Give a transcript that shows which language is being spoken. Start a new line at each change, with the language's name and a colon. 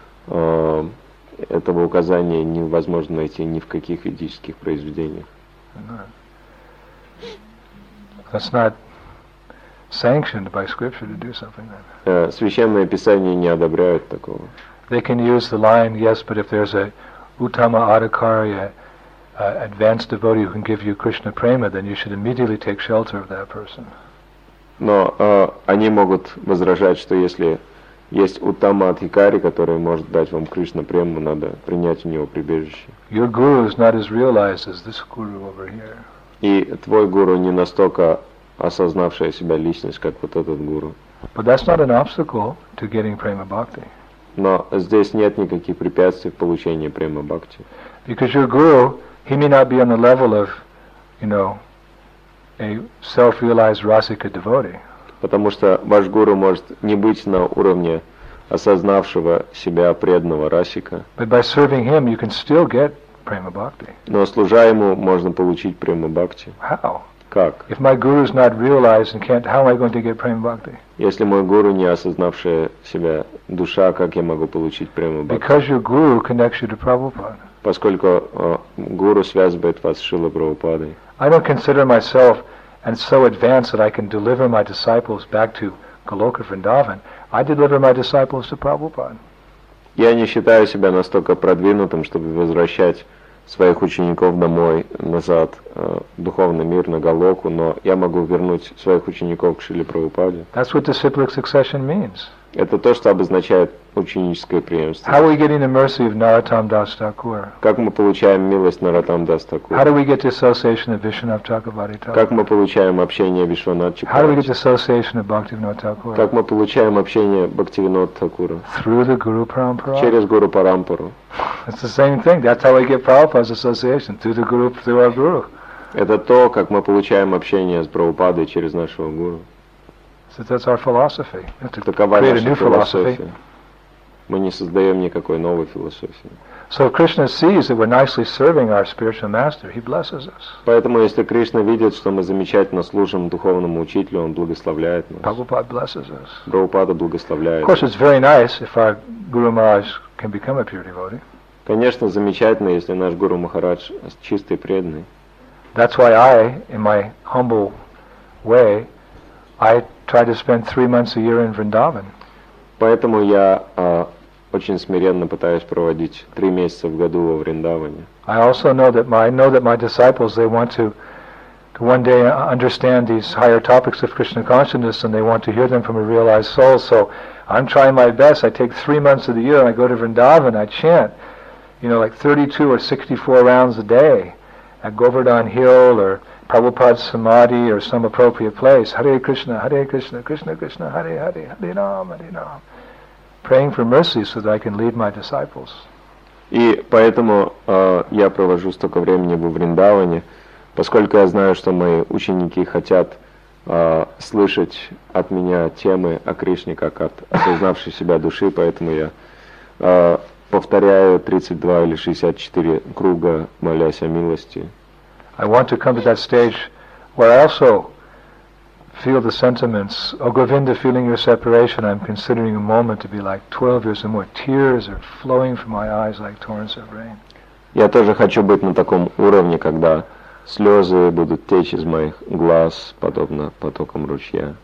Russian: Этого указания невозможно найти ни в каких ведических произведениях.
English: That's not sanctioned by scripture to do something like that.
Russian: Священное писание не одобряет такого.
English: They can use the line, yes, but if there's a Uttama Adhikari, advanced devotee who can give you Krishna prema, then you should immediately take shelter of that person.
Russian: Но они могут возражать, что если есть Uttama Adhikari, который может дать вам Krishna prema, надо принять у него прибежище.
English: Your guru is not as realized as this guru over here.
Russian: И твой гуру не настолько осознавшая себя личность, как вот этот гуру.
English: But that's not an obstacle to getting prema bhakti.
Russian: Но здесь нет никаких препятствий в получении према бхакти.
English: Because your guru, he may not be on the level of, you know, a self-realized rasika devotee.
Russian: Потому что ваш гуру может не быть на уровне осознавшего себя преданного расика.
English: But by serving him, you can still get prema bhakti.
Russian: Но служа ему, можно получить према бхакти.
English: How?
Russian: Как?
English: If my guru is not realized and can't, how am I going to get prema bhakti?
Russian: Если мой гуру не осознавшая себя душа, как я могу получить прему бхакти?
English: Because your guru connects you to Prabhupada.
Russian: Поскольку гуру связывает вас с Шрилой Прабхупадой.
English: I don't consider myself and so advanced that I can deliver my disciples back to Goloka Vrindavan. I deliver my disciples to Prabhupada.
Russian: Я не считаю себя настолько продвинутым, чтобы возвращать своих учеников домой, назад, духовный мир, на Голоку, но я могу вернуть своих учеников к Шриле Прабхупаде.
English: That's what disciplic succession means.
Russian: Это то, что обозначает ученическое преемство.
English: How are we getting the mercy of Narottam Das Thakur?
Russian: Как мы получаем милость Narottam Das Thakur?
English: How do we get the association of Vishwanath Chakravarti Thakur?
Russian: Как мы получаем общение Вишванат Чакравати?
English: How do we get the association of Бхактивинода Такура?
Russian: Как мы получаем общение Бхактивинода Такура?
English: Through the Guru Parampara.
Russian: Через Гуру Парампару.
English: It's the same thing. That's how we get Prabhupada's association through the Guru, through our Guru.
Russian: Это то, как мы получаем общение с Прабхупадой через нашего гуру.
English: So that's our philosophy.
Russian: Такова наша философия. Мы не создаем никакой новой философии.
English: So if Krishna sees that we're nicely serving our spiritual master, he blesses us.
Russian: Поэтому если Кришна видит, что мы замечательно служим духовному учителю, он благословляет нас.
English: Prabhupada blesses us.
Russian: Прабхупада благословляет.
English: Of course, it's very nice if our Guru Maharaj can become a pure devotee.
Russian: Конечно, замечательно, если наш Гуру Махарадж чистый преданный.
English: That's why I, in my humble way, I try to spend 3 months a year in Vrindavan.
Russian: Поэтому я очень смиренно пытаюсь проводить 3 месяца в году во Вриндаване.
English: I also know that my disciples, they want to one day understand these higher topics of Krishna consciousness, and they want to hear them from a realized soul. So I'm trying my best. I take 3 months of the year, and I go to Vrindavan. I chant, you know, like 32 or 64 rounds a day at Govardhan Hill or Prabhupada Samadhi or some appropriate place.
Sanskrit: Hare Krishna, Hare Krishna, Krishna Krishna, Hare Hare, Hare Nam, Hare Nam.
English: Praying for mercy so that I can lead my disciples.
Russian: И поэтому я провожу столько времени во Вриндаване, поскольку я знаю, что мои ученики хотят слышать от меня темы о Кришне, как от осознавшей себя души, поэтому я повторяю 32 или 64 круга, молясь о милости.
English: I want to come to that stage where I also feel the sentiments, oh Govinda, feeling your separation, I'm considering a moment to be like 12 years or more. Tears are flowing from my eyes like torrents of rain.
Russian: Я тоже хочу быть на таком уровне, когда слезы будут течь из моих глаз, подобно потокам ручья.